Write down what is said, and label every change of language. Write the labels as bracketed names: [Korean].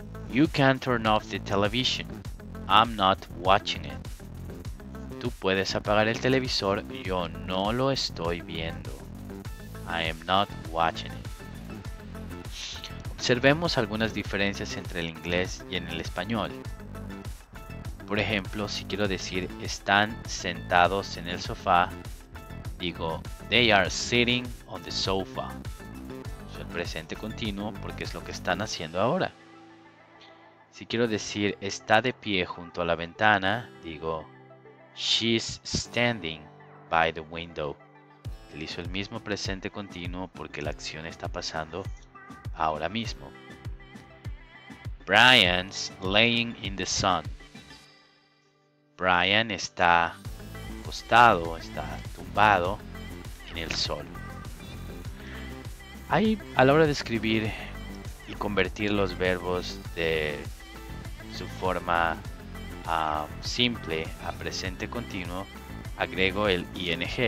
[English] You can turn off the television. I'm not watching it. [Spanish] Tú puedes apagar el televisor. Yo no lo estoy viendo. [English] I am not watching it. [Spanish] Observemos algunas diferencias entre el inglés y en el español. Por ejemplo, si quiero decir están sentados en el sofá, digo [English] they are sitting on the sofa. [Spanish] Es el presente continuo porque es lo que están haciendo ahora. Si quiero decir está de pie junto a la ventana, digo [English] she's standing by the window. [Spanish] Utilizo el mismo presente continuo porque la acción está pasando ahora mismo. [English] Brian's laying in the sun. [Spanish] Brian está acostado, está tumbado en el sol. Ahí, a la hora de escribir y convertir los verbos de su forma simple a presente continuo, agrego el ing.